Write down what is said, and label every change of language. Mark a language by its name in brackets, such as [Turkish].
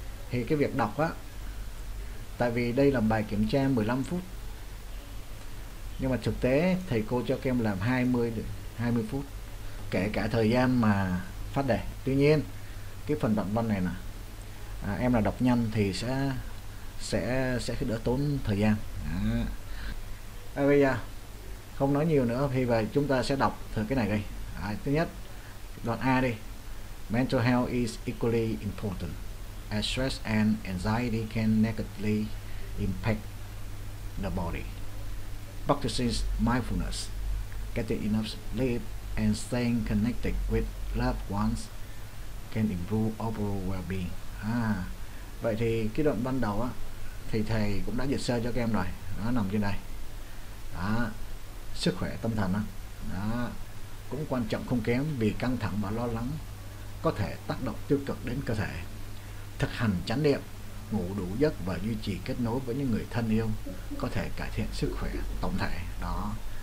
[Vietnamese] Thì cái việc đọc á, tại vì đây là bài kiểm tra 15 phút, nhưng mà thực tế thầy cô cho các em làm 20 phút, kể cả thời gian mà phát đề. Tuy nhiên cái phần đoạn văn này nè, em là đọc nhanh thì sẽ đỡ tốn thời gian. Bây giờ không nói nhiều nữa thì về chúng ta sẽ đọc thử cái này đây. Thứ nhất, đoạn A đi. [English] Mental health is equally important as stress and anxiety can negatively impact the body. Practicing mindfulness, getting enough sleep and staying connected with loved ones can improve overall well-being. [Vietnamese] Vậy thì cái đoạn ban đầu á, thì thầy cũng đã dịch sơ cho các em rồi, nó nằm trên đây. Đó, sức khỏe tâm thần đó. Đó, cũng quan trọng không kém, vì căng thẳng và lo lắng có thể tác động tiêu cực đến cơ thể. Thực hành chánh niệm, ngủ đủ giấc và duy trì kết nối với những người thân yêu có thể cải thiện sức khỏe tổng thể đó.